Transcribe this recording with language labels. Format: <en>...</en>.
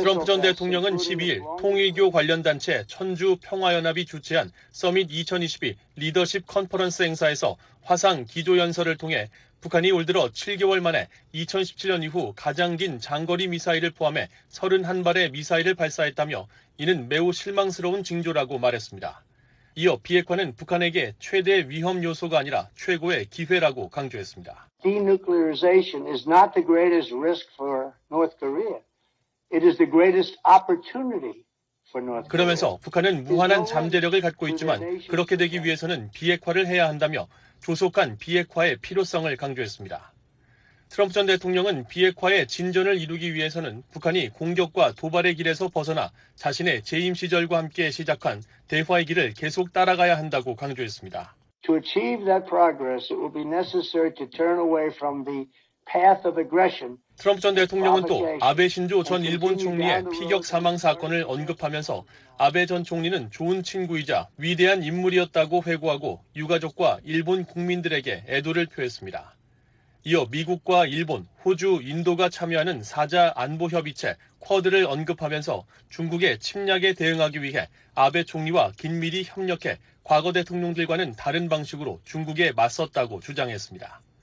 <ko>트럼프 전 대통령은 12일 통일교 관련 단체 천주 평화연합이 주최한 서밋 2022 리더십 컨퍼런스 행사에서 화상 기조 연설을 통해 북한이 올 들어 7개월 만에 2017년 이후 가장 긴 장거리 미사일을 포함해 31발의 미사일을 발사했다며 이는 매우 실망스러운 징조라고 말했습니다. 이어 비핵화는 북한에게 최대 위험 요소가 아니라 최고의 기회라고 강조했습니다.</ko> <en>Denuclearization is not the greatest risk for North Korea. It is the greatest opportunity.</en> <ko>그러면서 북한은 무한한 잠재력을 갖고 있지만 그렇게 되기 위해서는 비핵화를 해야 한다며 조속한 비핵화의 필요성을 강조했습니다. 트럼프 전 대통령은 비핵화의 진전을 이루기 위해서는 북한이 공격과 도발의 길에서 벗어나 자신의 재임 시절과 함께 시작한 대화의 길을 계속 따라가야 한다고 강조했습니다.</ko> <en>To achieve that progress, it will be necessary to turn away from the path of aggression.</en> <ko>트럼프 전 대통령은 또 아베 신조 전 일본 총리의 피격 사망 사건을 언급하면서 아베 전 총리는 좋은 친구이자 위대한 인물이었다고 회고하고 유가족과 일본 국민들에게 애도를 표했습니다. 이어 미국과 일본, 호주, 인도가 참여하는 4자 안보협의체 쿼드를 언급하면서 중국의 침략에 대응하기 위해 아베 총리와 긴밀히 협력해 과거 대통령들과는 다른 방식으로 중국에 맞섰다고 주장했습니다.</ko>